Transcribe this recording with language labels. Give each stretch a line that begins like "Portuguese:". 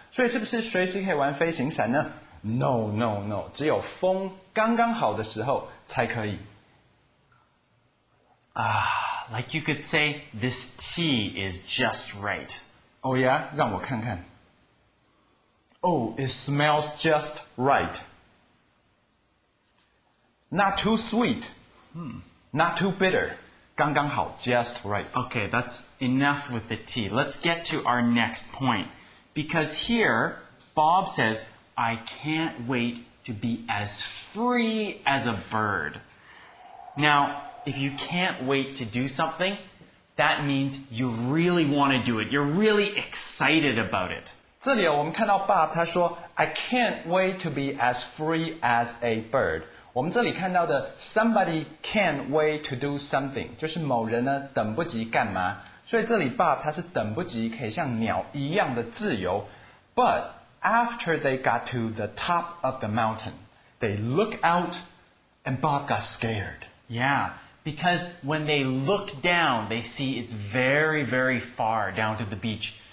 Chinese: 所以是不是随时可以玩飞行伞呢？
English: No.
Chinese: 只有风刚刚好的时候才可以。
English: Like you could say, this tea is just right. Oh yeah?
Chinese: 让我看看。
English: Oh, it smells just right. Not too sweet. Not too bitter.
Chinese: 刚刚好,
English: just right. Okay, that's enough with the tea. Let's get to our next point. Because here, Bob says, I can't wait to be as free as a bird. Now, if you can't wait to do something, that means you really want to do it. You're really excited about it.
Chinese: 这里我们看到 Bob 他说
English: I can't wait to be as free as a bird.
Chinese: 我们这里看到的
English: somebody can't wait to do something,
Chinese: 就是某人呢等不及干嘛。所以这里 Bob 他是等不及可以像鸟一样的自由。
English: But after they got to the top of the mountain, they look out and Bob got scared. Yeah, because when they look down, they see it's very, very far down to the beach.